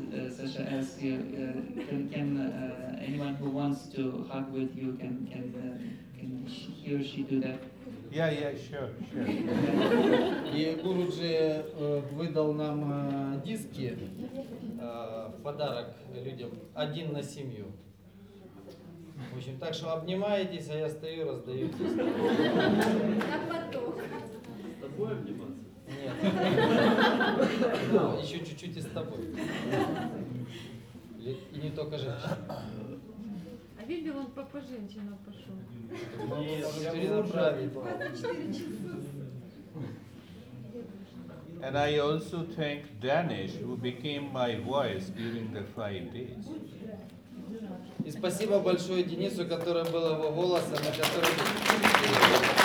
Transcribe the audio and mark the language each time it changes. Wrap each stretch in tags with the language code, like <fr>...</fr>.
<en>Sasha asks you, can anyone who wants to hug with you, can he or she do that? Yeah, sure.</en> <ru>И Гуруджи выдал нам диски в подарок людям, один на семью. В общем, так что обнимаетесь, а я стою, раздаю диски. На поток. С тобой обниматься? Нет. Но еще чуть-чуть и с тобой. И не только женщина. А Вильбе он по женщинам пошел. Нет, я не знаю.</ru> <en>And I also thank Danish, who became my voice during the 5 days.</en> <ru>И спасибо большое Денису, который был его голосом, на котором.</ru>